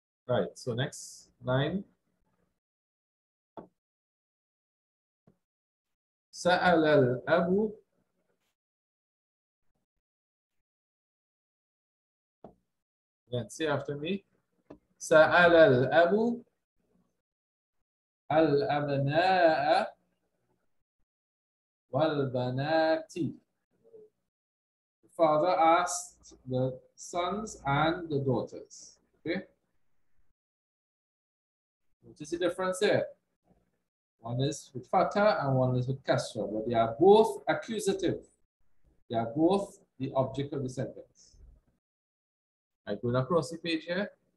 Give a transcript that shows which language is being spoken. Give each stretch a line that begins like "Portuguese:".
English: Right, so next line.
Arabic: سأل الأب
English: Say after me.
Arabic: سأل الأب الأبناء والبنات.
English: The father asked the sons and the daughters. Okay? What is the difference there? One is with fatha and one is with kasra, but they are both accusative. They are both the object of the sentence. I go across the page here.